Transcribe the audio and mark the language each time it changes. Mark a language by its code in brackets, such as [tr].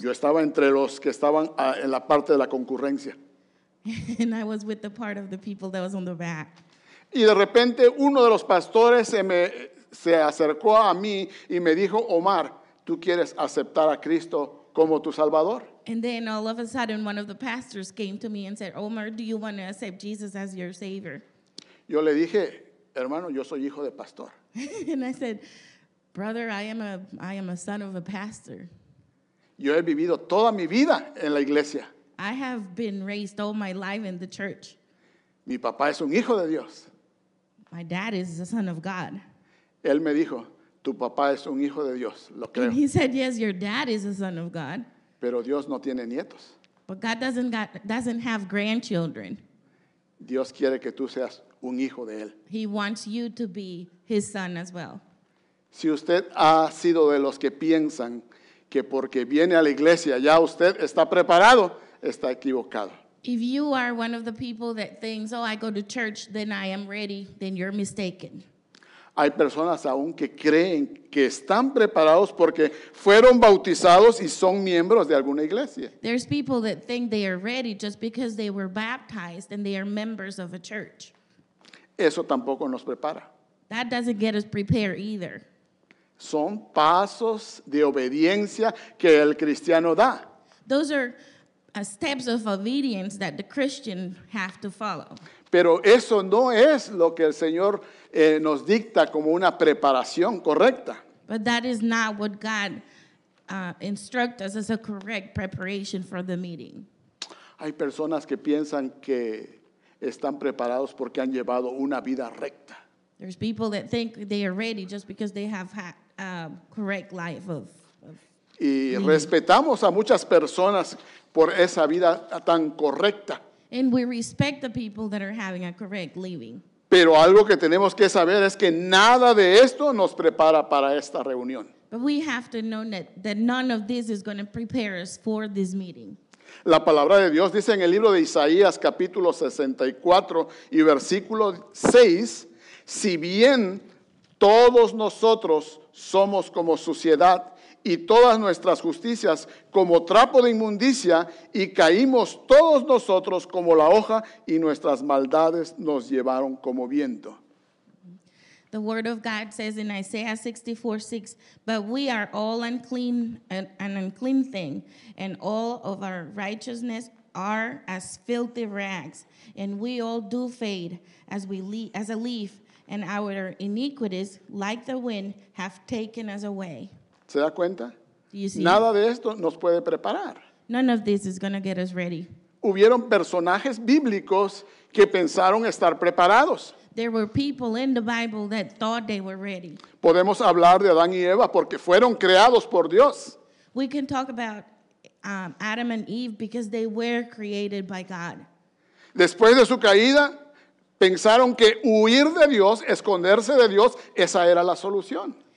[es] Yo estaba entre los que estaban en la parte de la concurrencia. [en] And I was with the part of the people that was on the back. [es] Y de repente uno de los pastores se acercó a mí y me dijo, Omar, ¿tú quieres aceptar a Cristo como tu Salvador? [en] And then all of a sudden, one of the pastors came to me and said, Omar, do you want to accept Jesus as your Savior? [es] Yo le dije, Hermano, yo soy hijo de pastor. [en] And I said, brother, I am a son of a pastor. [es] Yo he vivido toda mi vida en la iglesia. [en] I have been raised all my life in the church. [es] Mi papá es un hijo de Dios. [en] My dad is a son of God. [es] Él me dijo, tu papá es un hijo de Dios. Lo creo. [en] And he said, yes, your dad is a son of God. [es] Pero Dios no tiene nietos. [en] But God doesn't have grandchildren. [es] Dios quiere que tú seas un hijo de él. [en] He wants you to be his son as well. [es] Si usted ha sido de los que piensan que porque viene a la iglesia ya usted está preparado, está equivocado. [en] If you are one of the people that thinks, oh, I go to church, then I am ready, then you're mistaken. [es] Hay personas aún que creen que están preparados porque fueron bautizados y son miembros de alguna iglesia. [en] There's people that think they are ready just because they were baptized and they are members of a church. [es] Eso tampoco nos prepara. [en] That doesn't get us prepared either. [es] Son pasos de obediencia que el cristiano da. [en] Those are steps of obedience that the Christian have to follow. [es] Pero eso no es lo que el Señor nos dicta como una preparación correcta. [en] But that is not what God instructs us as a correct preparation for the meeting. [es] Hay personas que piensan que están preparados porque han llevado una vida recta. [en] There's people that think they are ready just because they have had a correct life of [es] Y respetamos a muchas personas por esa vida tan correcta. [en] And we respect the people that are having a correct living. [es] Pero algo que tenemos que saber es que nada de esto nos prepara para esta reunión. [en] But we have to know that none of this is going to prepare us for this meeting. [es] La palabra de Dios dice en el libro de Isaías capítulo 64 y versículo 6, si bien todos nosotros somos como suciedad, y todas nuestras justicias como trapo de inmundicia, y caímos todos nosotros como la hoja, y nuestras maldades nos llevaron como viento. [en] The word of God says in Isaiah 64:6, but we are all unclean, an unclean thing, and all of our righteousness are as filthy rags, and we all do fade as a leaf, and our iniquities, like the wind, have taken us away. [es] ¿Se da cuenta? [en] Do you see? [es] Nada de esto nos puede preparar. [en] None of this is going to get us ready. [es] Hubieron personajes bíblicos que pensaron estar preparados. [en] There were people in the Bible that thought they were ready. [es] Podemos hablar de Adán y Eva porque fueron creados por Dios. [en] We can talk about Adam and Eve because they were created by God. [es] Después de su caída, pensaron que huir de Dios, esconderse de Dios, esa era la solución.